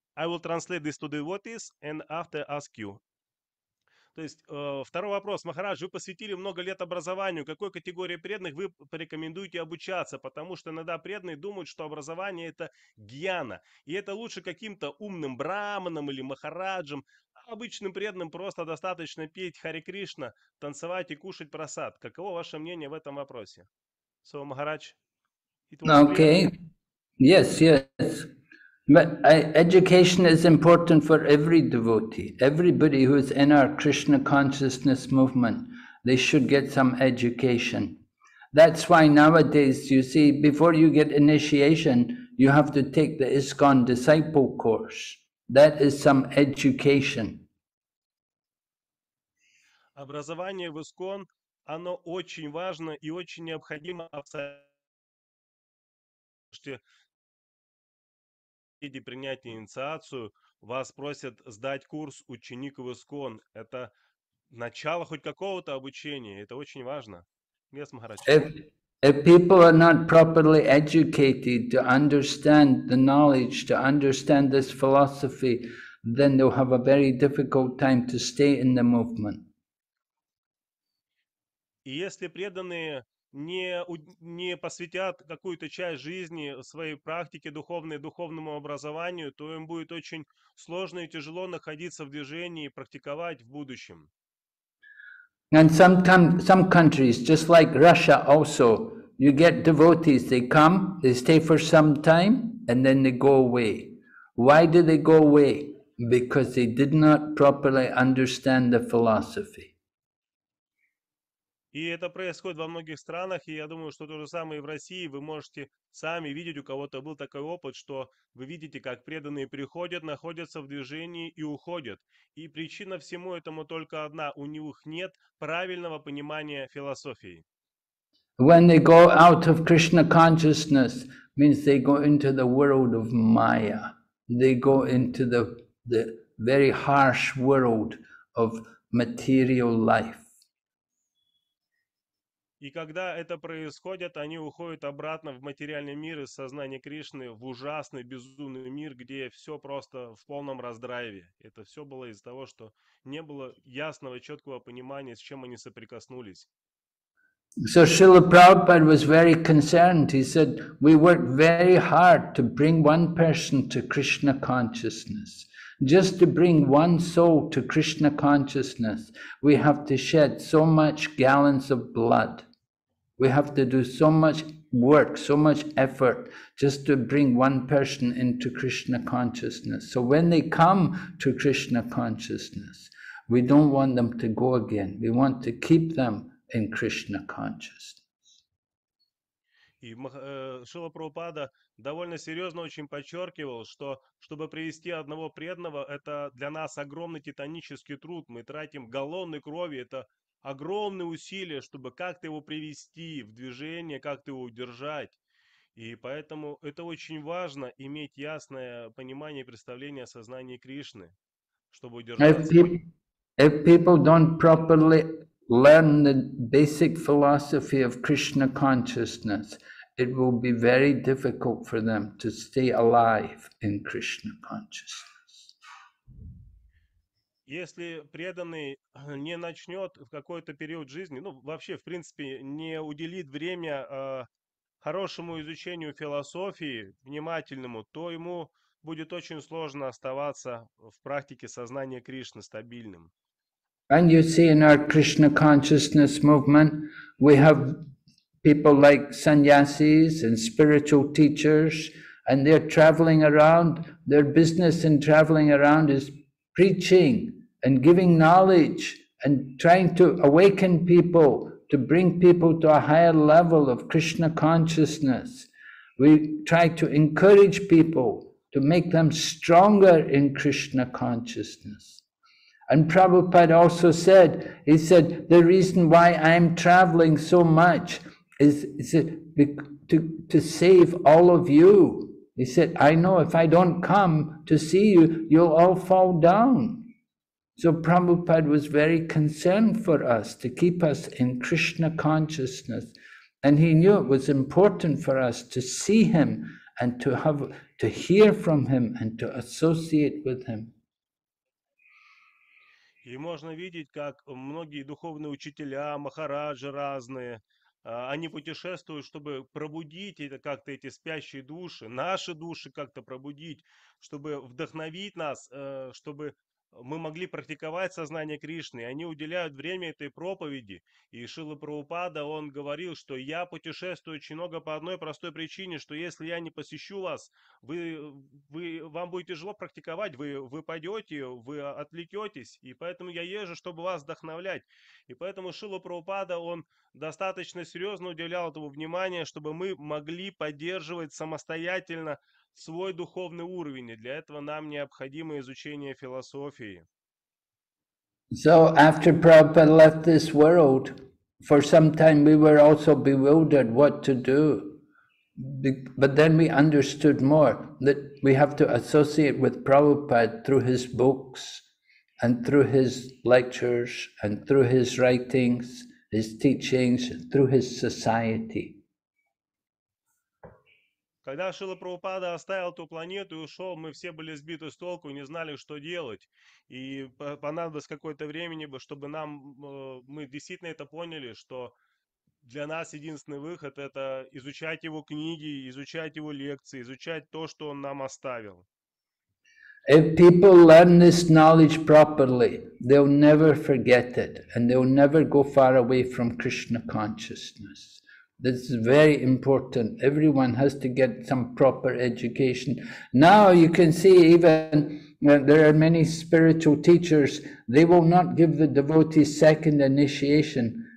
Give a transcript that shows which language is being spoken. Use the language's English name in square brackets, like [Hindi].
[English] I will translate this to the devotees and after ask you. [Russian] То есть, второй вопрос. Махарадж, вы посвятили много лет образованию. Какой категории преданных вы порекомендуете обучаться? Потому что иногда преданные думают, что образование – это гьяна. И это лучше каким-то умным брахманам или махараджам. А обычным преданным просто достаточно петь Харе Кришна, танцевать и кушать прасад. Каково ваше мнение в этом вопросе? [English] So, Махарадж. Okay. Yes. But education is important for every devotee. Everybody who is in our Krishna consciousness movement, they should get some education. That's why nowadays, you see, before you get initiation, you have to take the ISKCON disciple course. That is some education. [Russian] Образование в ISKCON, оно очень важно и очень необходимо. Иди принять инициацию, вас просят сдать курс ученик в ИСКОН. Это начало хоть какого-то обучения, это очень важно. [English] Yes, Maharaj. If people are not properly educated to understand the knowledge, to understand this philosophy, then they'll have a very difficult time to stay in the movement. [Russian] И если преданные не посвятят какую-то часть жизни своей практике духовной, духовному образованию, то им будет очень сложно и тяжело находиться в движении и практиковать в будущем. [English] And some countries, just like Russia also, you get devotees, they come, they stay for some time, and then they go away. Why do they go away? Because they did not properly understand the philosophy. [Russian] И это происходит во многих странах, и я думаю, что то же самое и в России. Вы можете сами видеть, у кого-то был такой опыт, что вы видите, как преданные приходят, находятся в движении и уходят. И причина всему этому только одна. У них нет правильного понимания философии. [English] When they go out of Krishna consciousness, means they go into the world of Maya. They go into the very harsh world of material life. [Russian] И когда это происходит, они уходят обратно в материальный мир из сознания Кришны, в ужасный, безумный мир, где все просто в полном раздрайве. Это все было из-за того, что не было ясного, четкого понимания, с чем они соприкоснулись. [English] So Srila Prabhupada was very concerned. He said, we work very hard to bring one person to Krishna consciousness. Just to bring one soul to Krishna consciousness, we have to shed so much gallons of blood. We have to do so much work, so much effort, just to bring one person into Krishna consciousness. So when they come to Krishna consciousness, we don't want them to go again. We want to keep them in Krishna consciousness. [Russian] И Шрила Прабхупада довольно серьезно очень подчеркивал, что чтобы привести одного преданного, это для нас огромный титанический труд. Мы тратим галлоны крови, это огромные усилия, чтобы как-то его привести в движение, как-то его удержать. И поэтому это очень важно иметь ясное понимание и представление о сознании Кришны, чтобы удержаться. [English] If people don't properly learn the basic philosophy of Krishna consciousness, it will be very difficult for them to stay alive in Krishna consciousness. [Russian] Если преданный не начнет в какой-то период жизни, ну вообще в принципе не уделит время хорошему изучению философии, внимательному, то ему будет очень сложно оставаться в практике сознания Кришны стабильным. [English] And you see in our Krishna consciousness movement, we have people like sannyasis and spiritual teachers, and they're traveling around. Their business in traveling around is preaching and giving knowledge and trying to awaken people, to bring people to a higher level of Krishna consciousness. We try to encourage people to make them stronger in Krishna consciousness. And Prabhupada also said, he said, the reason why I'm traveling so much is to save all of you. He said, I know if I don't come to see you, you'll all fall down. So Prabhupada was very concerned for us to keep us in Krishna consciousness. And he knew it was important for us to see him and to hear from him and to associate with him. [Russian] И можно видеть, как многие духовные учителя, махараджи разные, они путешествуют, чтобы пробудить это как-то эти спящие души, наши души как-то пробудить, чтобы вдохновить нас, чтобы мы могли практиковать сознание Кришны. Они уделяют время этой проповеди. И Шрила Прабхупада, он говорил, что я путешествую очень много по одной простой причине, что если я не посещу вас, вам будет тяжело практиковать, вы пойдете, вы отвлекетесь. И поэтому я езжу, чтобы вас вдохновлять. И поэтому Шрила Прабхупада, он достаточно серьезно уделял этому внимание, чтобы мы могли поддерживать самостоятельно свой духовный уровень, и для этого нам необходимо изучение философии. [English] So after Prabhupada left this world, for some time we were also bewildered what to do. But then we understood more that we have to associate with Prabhupada through his books and through his lectures and through his writings, his teachings, through his society. [Russian] Когда Шрила Прабхупада оставил ту планету и ушел, мы все были сбиты с толку, не знали, что делать. И понадобилось какое-то время, чтобы мы действительно это поняли, что для нас единственный выход – это изучать его книги, изучать его лекции, изучать то, что он нам оставил. [English] If people learn this knowledge properly, they'll never forget it, and they'll never go far away from Krishna consciousness. This is very important. Everyone has to get some proper education. Now you can see even there are many spiritual teachers, they will not give the devotees second initiation